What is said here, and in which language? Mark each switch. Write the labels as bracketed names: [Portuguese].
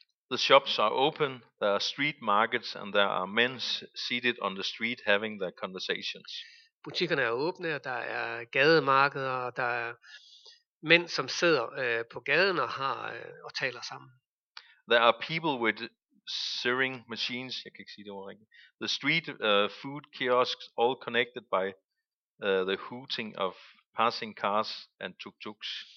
[English] The shops are open, there are street markets, and there are men seated on the street having their conversations. [Danish] Butikkerne er åbne, og der er gademarkeder, og der er mænd, som sidder på gaden og har og taler sammen. [English] There are people with searing machines, [Danish] jeg kan ikke sige det ordentligt. [English] The street food kiosks all connected by the hooting of passing cars and tuk-tuks.